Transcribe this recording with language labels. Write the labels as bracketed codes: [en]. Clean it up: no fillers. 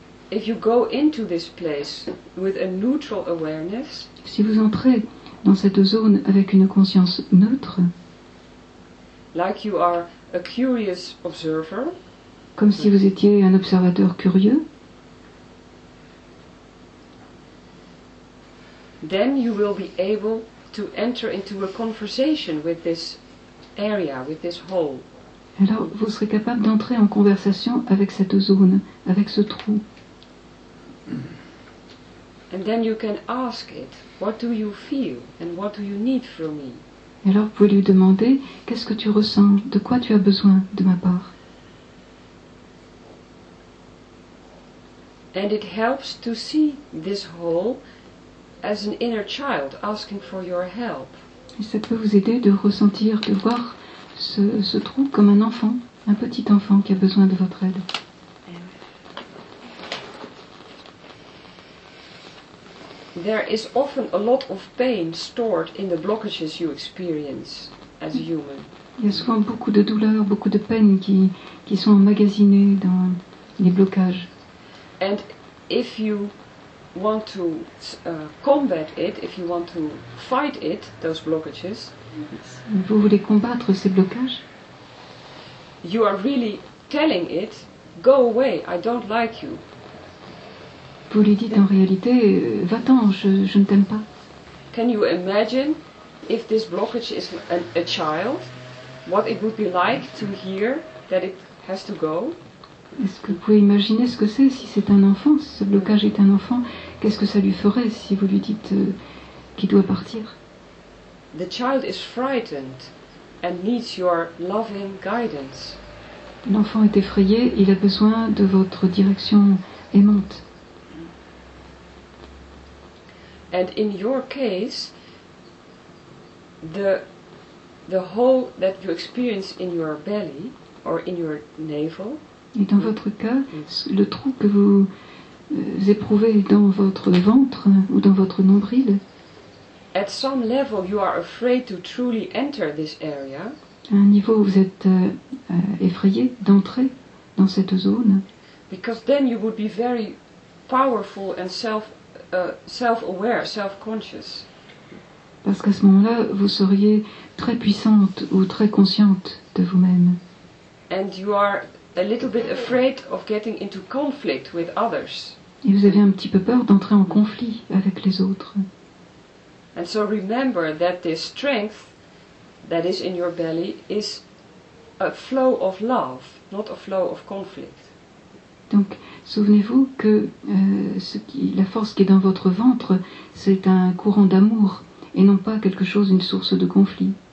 [en] If you go into this place with a neutral awareness, [fr] si vous entrez dans cette zone avec une conscience neutre, [en] like you are a curious observer, [fr] comme si vous étiez un observateur curieux, [en] then you will be able to enter into a conversation with this area, with this hole. [fr] Alors, vous serez capable d'entrer en conversation avec cette zone, avec ce trou. [en] And then you can ask it, what do you feel and what do you need from me? [fr] Et alors, vous pouvez lui demander, qu'est-ce que tu ressens, de quoi tu as besoin de ma part? [en] And it helps to see this hole as an inner child asking for your help. [fr] Et ça peut vous aider de ressentir, de voir ce trou comme un enfant, un petit enfant qui a besoin de votre aide. [en] There is often a lot of pain stored in the blockages you experience as a human. [fr] Il y a souvent beaucoup de douleurs, beaucoup de peines qui sont emmagasinées dans les blocages. [en] And if you want to combat it, if you want to fight it, those blockages. [fr] Vous voulez combattre ces blocages? [en] You are really telling it, go away, I don't like you. [fr] Vous lui dites en réalité, va-t'en, je ne t'aime pas. [en] Can you imagine if this blockage is a child, what it would be like to hear that it has to go. [fr] Est-ce que vous pouvez imaginer ce que c'est si c'est un enfant, si ce blocage est un enfant, qu'est-ce que ça lui ferait si vous lui dites qu'il doit partir? [en] The child is frightened and needs your loving guidance. [fr] L'enfant est effrayé, il a besoin de votre direction aimante. [en] And in your case, the hole that you experience in your belly or in your navel. [fr] Et dans votre cas, le trou que vous éprouvez dans votre ventre ou dans votre nombril. [en] At some level, you are afraid to truly enter this area. [fr] À un niveau, vous êtes effrayé d'entrer dans cette zone. [en] Because then you would be very powerful and self-aware, self-conscious. [fr] Parce qu'à ce moment-là, vous seriez très puissante ou très consciente de vous-même. [en] And you are a little bit afraid of getting into conflict with others. [fr] Et vous avez un petit peu peur d'entrer en conflit avec les autres. [en] And so remember that this strength that is in your belly is a flow of love, not a flow of conflict. [fr] Donc, souvenez-vous que la force qui est dans votre ventre, c'est un courant d'amour et non pas quelque chose, une source de conflit.